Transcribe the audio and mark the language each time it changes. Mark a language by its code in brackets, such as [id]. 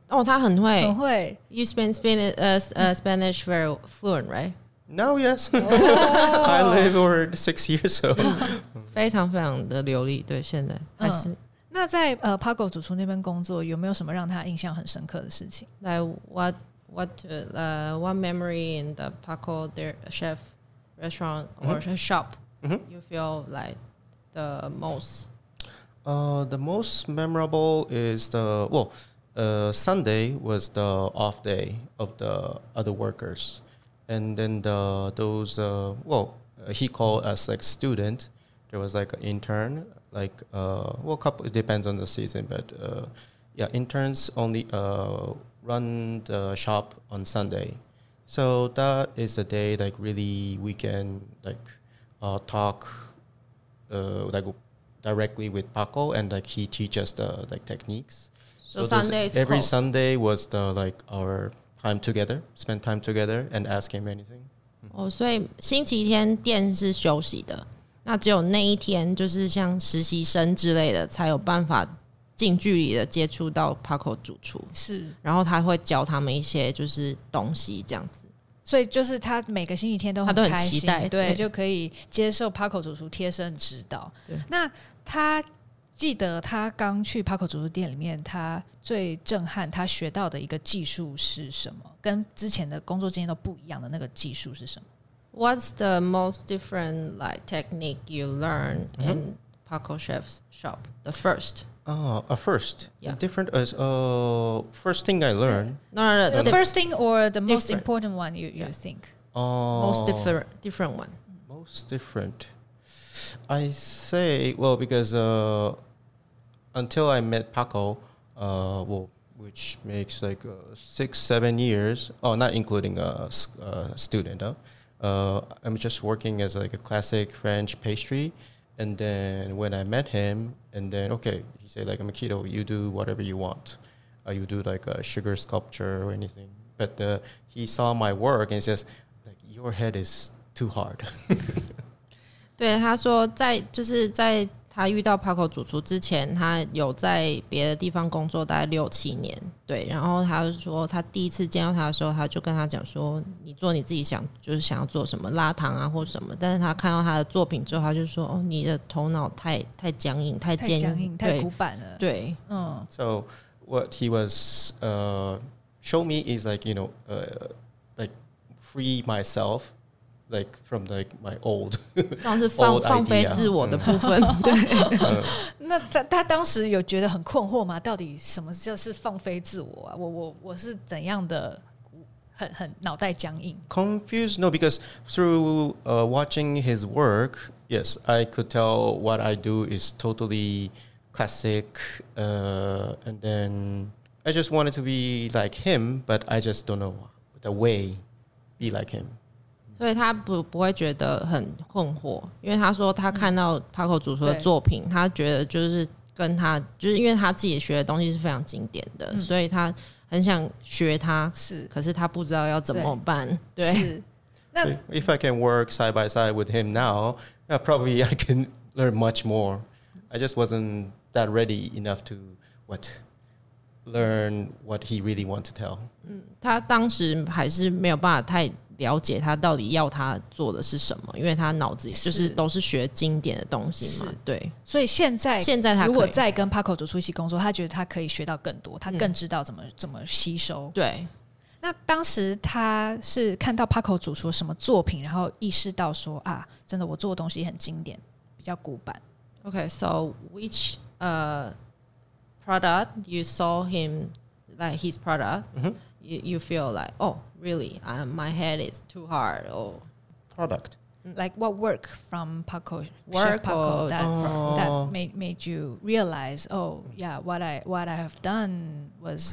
[zh] 哦他很会很会 [en] You speak Spanish,、Spanish very fluent right Now yes、oh. I live over 6 years so [zh] 非常非常的流利对现在还是、嗯那在Paco 主厨那边工作，有没有什么让他印象很深刻的事情 [en] ？Like what memory in the Paco their chef restaurant or shop、 mm-hmm. you feel like the most? The most memorable is the Sunday was the off day of the other workers, and then he called us like student. There was like an intern. Like, well, couple, it depends on the season, but interns only run the shop on Sunday. So that is the day, like, really we can, like, talk, like, directly with Paco, and, like, he teaches the, like, techniques. So Sunday is every close. Sunday was, the, like, our time together, spend time together and ask him anything. Oh, so [zh] 星期天店是休息的。那只有那一天就是像实习生之类的才有办法近距离的接触到 Paco 主厨是然后他会教他们一些就是东西这样子所以就是他每个星期天都很开心他都很期待对就可以接受 Paco 主厨贴身指导对那他记得他刚去 Paco 主厨店里面，他最震撼他学到的一个技术是什么，跟之前的工作经验都不一样的那个技术是什么？ [en] What's the most different like technique you learn in Paco Chef's shop? The first First thing I learned. No, the first thing or the most important one you think? Most different one. Most different. I say, well, because until I met Paco, well, which makes like 6-7 years, oh, not including a student, I'm just working as like a classic French pastry. And then when I met him, and then, okay,say like I'm a keto, you do whatever you want, you do like a sugar sculpture or anything, but he saw my work and says like your head is too hard. [zh] 对，他说在就是在他遇到 Paco 主厨之前，他有在别的地方工作大概6-7年，对，然后他说他第一次见到他的时候，他就跟他讲说你做你自己想就是想要做什么拉糖啊或什么，但是他看到他的作品之后，他就说哦，你的头脑太僵硬，太坚硬，太古板了，对，嗯。 [en] So what he was show me is like, you know, like free myself. Like from like my old, [zh] 像是放飞自我的部分，对。那他当时有觉得很困惑吗？到底什么就是放飞自我啊？我是怎样的？很脑袋僵硬。 [en] Confused? No, because through watching his work, yes, I could tell what I do is totally classic. And then I just wanted to be like him, but I just don't know the way be like him. [zh] 所以他不会觉得很困惑，因为他说他看到 Paco 主厨的作品，他觉得就是跟他就是因为他自己学的东西是非常经典的，所以他很想学他，是，可是他不知道要怎么办。对那 [en] If I can work side by side with him now, probably I can learn much more. I just wasn't that ready enough to learn what he really wanted to tell. [zh] 他当时还是没有办法太了解他到底要他做的是什么，因为他脑子就是都是学经典的东西嘛，对。所以现在他如果再跟 Paco 主厨一起工作，他觉得他可以学到更多，他更知道怎么吸收。对。那当时他是看到 Paco 主厨什么作品，然后意识到说啊，真的我做的东西很经典，比较古板。 [en] Okay, so which product you saw him like his product?、Mm-hmm. You feel like, oh, really, my head is too hard. Or product. Like what work from Paco, work Chef Paco, that made you realize, oh, yeah, what I have done was...